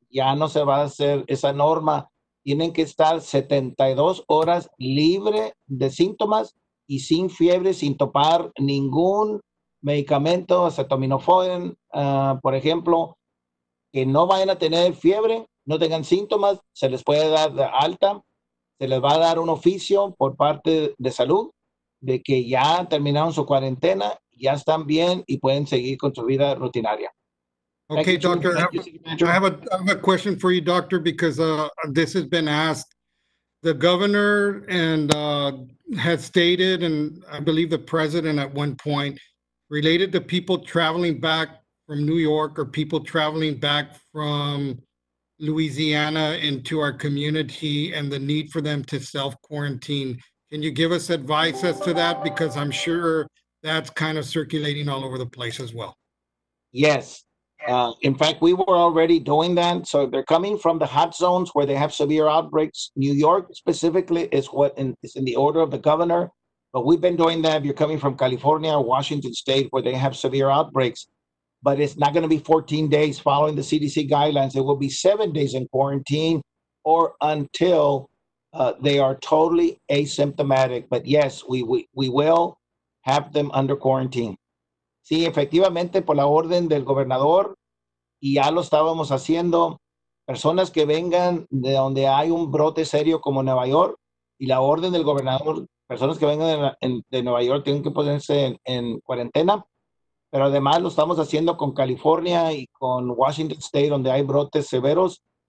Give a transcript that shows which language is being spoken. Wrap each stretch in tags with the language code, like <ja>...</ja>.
<es>Ya no se va a hacer esa norma. Tienen que estar 72 horas libre de síntomas y sin fiebre, sin topar ningún medicamento, acetaminofén, por ejemplo, que no vayan a tener fiebre, no tengan síntomas, se les puede dar de alta, se les va a dar un oficio por parte de salud de que ya terminaron su cuarentena, ya están bien y pueden seguir con su vida rutinaria.</es> <en>Okay, doctor, I have a question for you, doctor, because this has been asked. The governor and has stated, and I believe the president at one point, related to people traveling back from New York or people traveling back from Louisiana into our community and the need for them to self-quarantine. Can you give us advice as to that? Because I'm sure that's kind of circulating all over the place as well. Yes. In fact, we were already doing that. So they're coming from the hot zones where they have severe outbreaks. New York specifically is is in the order of the governor. But we've been doing that. If you're coming from California or Washington State where they have severe outbreaks. But it's not going to be 14 days following the CDC guidelines. It will be 7 days in quarantine or until they are totally asymptomatic. But yes, we will have them under quarantine.</en> <es>Sí, efectivamente, por la orden del gobernador, y ya lo estábamos haciendo, personas que vengan de donde hay un brote serio como Nueva York, y la orden del gobernador, personas que vengan de Nueva York tienen que ponerse en cuarentena, pero además lo estamos haciendo con California y con Washington State, donde hay brotes severos.</es>